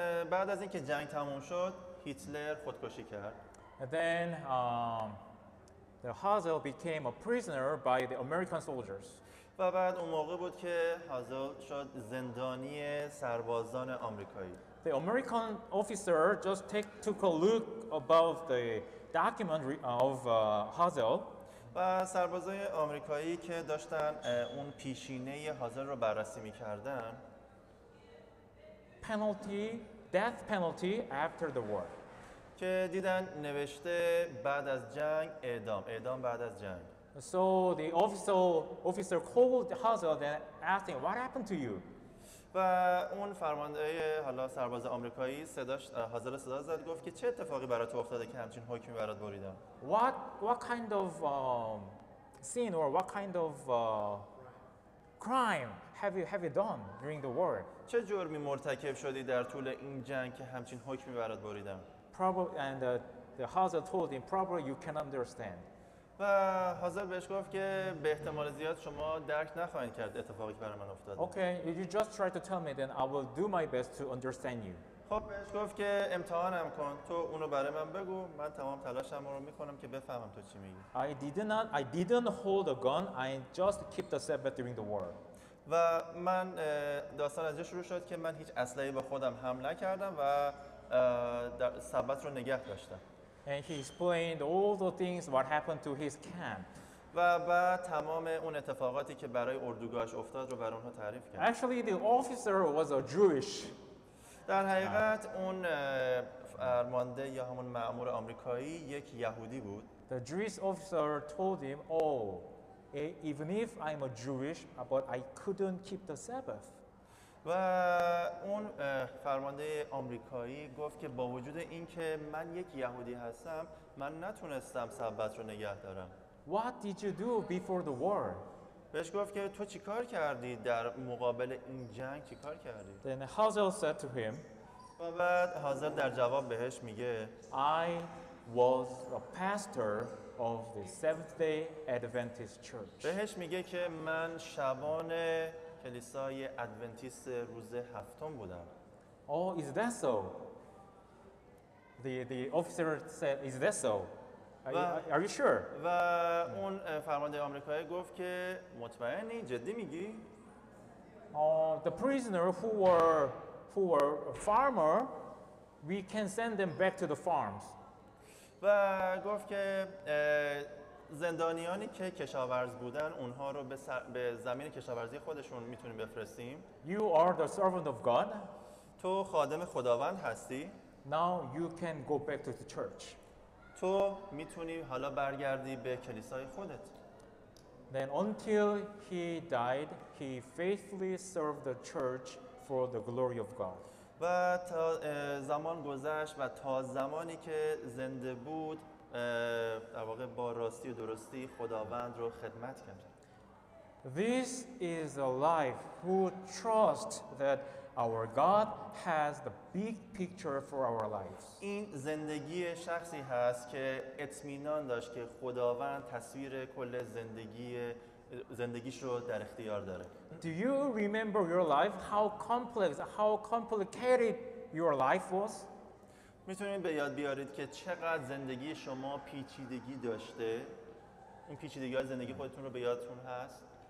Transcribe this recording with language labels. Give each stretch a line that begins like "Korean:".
Persian: بعد از اینکه جنگ تموم شد، هیتلر خودکشی کرد.
English: And then the Hazel became a prisoner by the American soldiers.
Persian: و بعد اون موقع بود که هازل شد زندانی سربازان آمریکایی.
English: The American officer just took a look above the document of Hazel.
Persian: و سربازای آمریکایی که داشتن اون پیشینه هازل رو بررسی می‌کردن.
English: Penalty, death penalty after the war.
Persian: که دیدن نوشته بعد از جنگ اعدام. اعدام بعد از جنگ.
English: So the officer called Hazel and asked him, "What happened to you?"
Persian: و اون فرمانده حالا سرباز آمریکایی صداش حاضر صدا زد گفت که چه اتفاقی برات افتاده که همچین حکمی برات بریدم.
English: What kind of sin or what kind of crime have you done during the war?
Persian: چه جرمی مرتکب شدی در طول این جنگ که همچین حکمی برات بریدم.
English: Probably and the Hazel told him, "Probably you can understand."
Persian: و حاضر بهش گفت که به احتمال زیاد شما درک نخواهید کرد اتفاقی که برای من افتاده.
English: Okay, you just try to tell me then I will do my best to understand you.
Persian: خب بهش گفت که امتحانم کن، تو اونو برای من بگو، من تمام تلاشم رو میکنم که بفهمم تو چی میگی.
English: I didn't hold a gun, I just kept the Sabbath during the war.
Persian: و من داستان از جا شروع شد که من هیچ اسلحه‌ای با خودم حمل نکردم و در سبت رو نگه داشتم.
English: And he explained all the things what happened to his camp.
Persian: و بعد تمام اون اتفاقاتی که برای اردوگاهش افتاد رو برای اونها تعریف کرد.
English: Actually, the officer was a Jewish.
Persian: در حقیقت اون فرمانده یا همون مأمور آمریکایی یک یهودی بود.
English: The Jewish officer told him, "Oh, even if I'm a Jewish, but I couldn't keep the Sabbath."
Persian: و اون فرمانده آمریکایی گفت که با وجود اینکه من یک یهودی هستم، من نتونستم سبت رو نگه دارم.
English: What did you do before the war?
Persian: بهش گفت که تو چی کار کردی در مقابل این جنگ، چی کار کردی؟
English: Then Hazel said to him.
Persian: و بعد هازل در جواب بهش میگه.
English: I was a pastor of the Seventh Day Adventist Church.
Persian: بهش میگه که من شبان کلیسای ادونتیست روز هفتم بودم.
English: Oh, is that so? The officer said, "Is that so? Are you sure?"
Persian: و اون فرمانده آمریکایی گفت که مطمئنی؟ جدی میگی؟
English: The prisoner who were farmer, we can send them back to the farms.
Persian: و گفت که زندانیانی که کشاورز بودن اونها رو به زمین کشاورزی خودشون میتونیم بفرستیم.
English: You are the servant of God.
Persian: تو خادم خداوند هستی.
English: Now you can go back to the church.
Persian: تو میتونی حالا برگردی به کلیسای خودت.
English: Then until he died, he faithfully served the church for the glory of God.
Persian: و تا زمان گذشت و تا زمانی که زنده بود در واقع با راستی و درستی خداوند رو خدمت کرد.
English: This is a life who trusts that our God has the big picture for our lives.
Persian: این زندگی شخصی هست که اطمینان داشت که خداوند تصویر کل زندگیش رو در اختیار داره.
English: Do you remember your life? How complicated your life was?
Persian: میتونید به یاد بیارید که چقدر زندگی شما پیچیدگی داشته؟ این پیچیدگی‌های زندگی خودتون رو به یادتون هست؟